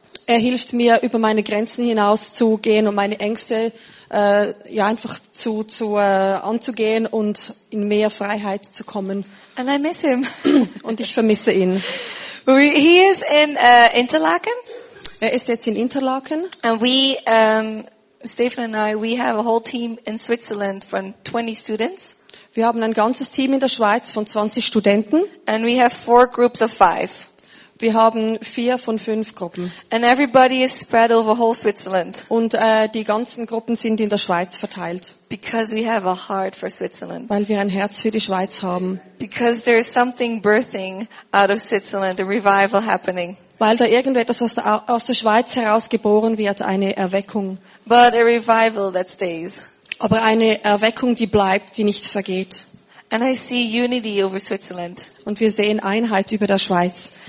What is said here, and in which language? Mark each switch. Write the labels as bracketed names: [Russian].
[German] Er hilft mir, über meine Grenzen hinaus zu gehen und meine Ängste ja einfach anzugehen und in mehr Freiheit zu kommen. [English] And I miss him. [German] Und ich vermisse ihn. [English] He is in Interlaken. [German] Er ist jetzt in Interlaken. [English] And Stefan and I, we have a whole team in Switzerland from 20 students. [German] Wir haben ein ganzes Team in der Schweiz von 20 Studenten. [English] And we have 4 groups of 5. [German] Wir haben 4 von 5 Gruppen. [English] And everybody is spread over whole Switzerland. [German] Und die ganzen Gruppen sind in der Schweiz verteilt. [English] Because we have a heart for Switzerland. [German] Weil wir ein Herz für die Schweiz haben. [English] Because there is something birthing out of Switzerland, a revival happening. [German] Weil da irgendetwas aus der Schweiz herausgeboren wird, eine Erweckung. [English] But a revival that stays. [German] Aber eine Erweckung, die bleibt, die nicht vergeht. [English] And I see unity over Switzerland. [German] Und wir sehen Einheit über der Schweiz.